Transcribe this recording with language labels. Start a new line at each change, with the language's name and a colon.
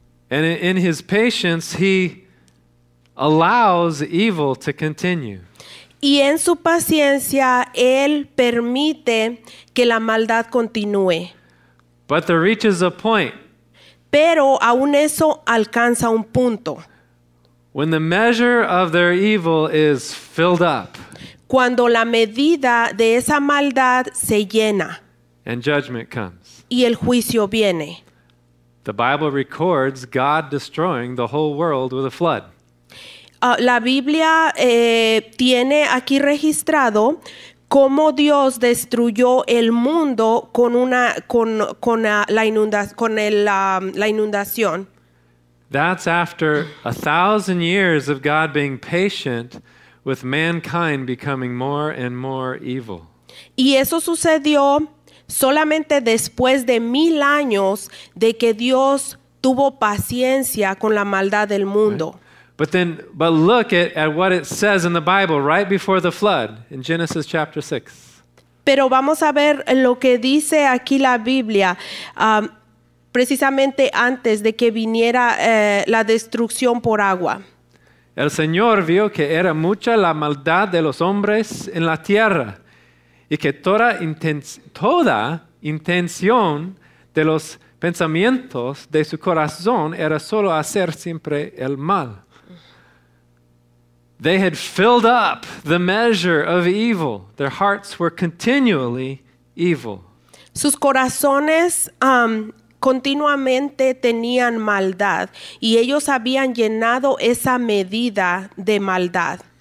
English: And in his patience, he allows evil to continue.
Spanish: Y en su paciencia, él permite que la maldad continúe.
English: But there reaches a point.
Spanish: Pero aún eso alcanza un punto.
English: When the measure of their evil is filled up.
Spanish: Cuando la medida de esa maldad se llena.
English: And judgment comes.
Spanish: Y el juicio viene.
English: The Bible records God destroying the whole world with a flood.
Spanish: La Biblia tiene aquí registrado cómo Dios destruyó el mundo con una la inundación.
English: That's after 1,000 years of God being patient with mankind becoming more and more evil.
Spanish: Y eso sucedió solamente después de 1,000 años de que Dios tuvo paciencia con la maldad del mundo.
English: Right. But look at what it says in the Bible right before the flood in Genesis chapter 6.
Spanish: Pero vamos a ver lo que dice aquí la Biblia precisamente antes de que viniera la destrucción por agua. El Señor vio que era mucha la maldad de los hombres en la tierra y que toda intención de los pensamientos de su corazón era solo hacer siempre el mal.
English: They had filled up the measure of evil. Their hearts were continually evil.
Spanish: Sus corazones continuamente tenían maldad, y ellos habían llenado esa medida de maldad.